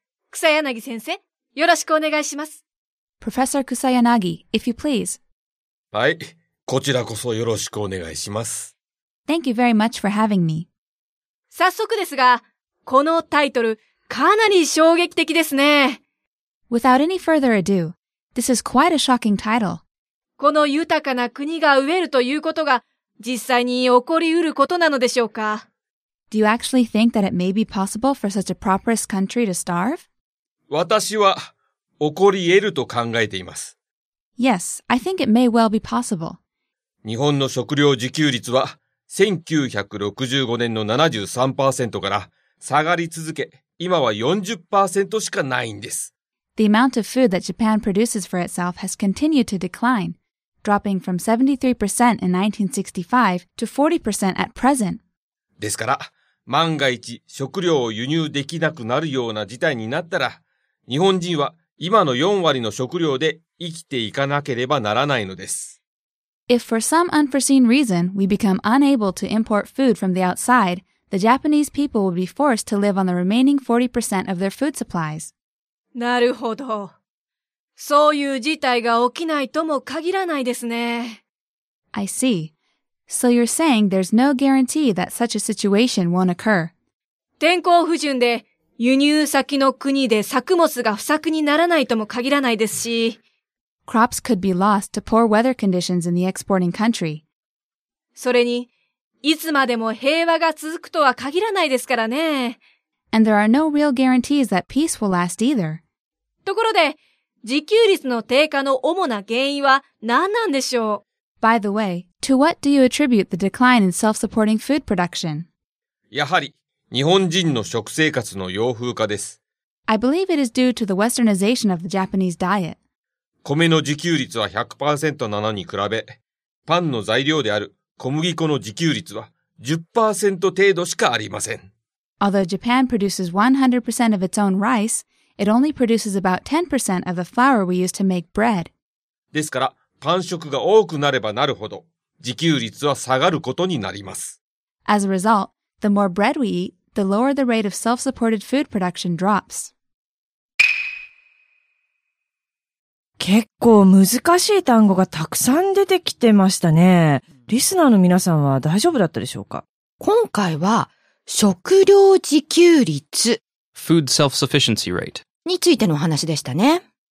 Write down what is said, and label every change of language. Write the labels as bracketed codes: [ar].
[ja] 草柳先生、よろしくお願いします。 [en] Professor Kusayanagi, if you please. [ja] はい、こちらこそよろしくお願いします。 [en] Thank you very much for having me. [ja] 早速ですが、このタイトル、かなり衝撃的ですね。 [en] Without any further ado, this is quite a shocking title. [ja] この豊かな国が飢えるということが実際に起こりうることなのでしょうか。 [en] Do you actually think that it may be possible for such a prosperous country to starve? [ja] 私は起こり得ると考えています。 [en] Yes, I think it may well be possible. [ja] 日本の食料自給率は1965年の 73% から下がり続け、今は 40% しかないんです。 [en] The amount of food that Japan produces for itself has continued to decline, dropping from 73% in 1965 to 40% at present. [ja] ですから、万が一食料を輸入できなくなるような事態になったら、日本人は今の4割の食料で生きていかなければならないのです。 [en] If for some unforeseen reason we become unable to import food from the outside, the Japanese people will be forced to live on the remaining 40% of their food supplies. [ja] なるほど。そういう事態が起きないとも限らないですね。 [en] I see. So you're saying there's no guarantee that such a situation won't occur. [ja] 天候不順で輸入先の国で作物が不作にならないとも限らないですし、 [en] Crops could be lost to poor weather conditions in the exporting country. [ja] それに、いつまでも平和が続くとは限らないですからね。 [en] And there are no real guarantees that peace will last either. [ja] ところで、自給率の低下の主な原因は何なんでしょう? [en] By the way, to what do you attribute the decline in self-supporting food production? [ja] やはり、日本人の食生活の洋風化です。 [en] I believe it is due to the westernization of the Japanese diet. [ja] 米の自給率は 100% なのに比べ、パンの材料である小麦粉の自給率は 10% 程度しかありません。 [en] Although Japan produces 100% of its own rice, it only produces about 10% of the flour we use to make bread. [ja] ですから、パン食が多くなればなるほど、自給率は下がることになります。 [en] As a result, the more bread we eat, the lower the rate of self-supported food production drops. [ja] 結構難しい単語がたくさん出てきてましたね。リスナーの皆さんは大丈夫だったでしょうか? 今回は、食料自給率 [en] Food self-sufficiency rate [ja] についてのお話でしたね。